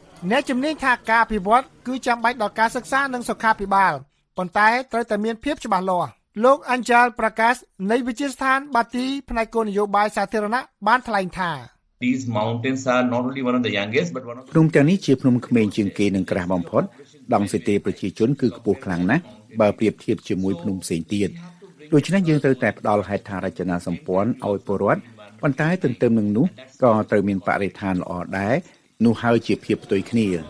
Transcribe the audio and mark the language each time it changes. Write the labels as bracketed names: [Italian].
[Khmer] អ្នកជំនាញថាការអភិវឌ្ឍគឺចាំបាច់ដល់ការសិក្សានិងសុខាភិបាលប៉ុន្តែត្រូវតែមានភាពច្បាស់លាស់លោកអាន់ចាលប្រកាសនៃវិទ្យាស្ថានបាទីផ្នែកគោលនយោបាយសាធារណៈបានថ្លែងថា [English] These mountains are not only one of the youngest but one of [Khmer] ភ្នំទាំងនេះជាភ្នំក្មេងជាងគេនិងក្រាស់បំផុតដង់សេតេប្រជាជនគឺខ្ពស់ខ្លាំងណាស់បើប្រៀបធៀបជាមួយភ្នំផ្សេងទៀតដូច្នេះយើងត្រូវតែផ្ដល់ហេដ្ឋារចនាសម្ព័ន្ធឲ្យពលរដ្ឋប៉ុន្តែទន្ទឹមនឹងនោះក៏ត្រូវមានបរិស្ថានល្អដែរនោះហើយជាភាពផ្ទុយគ្នា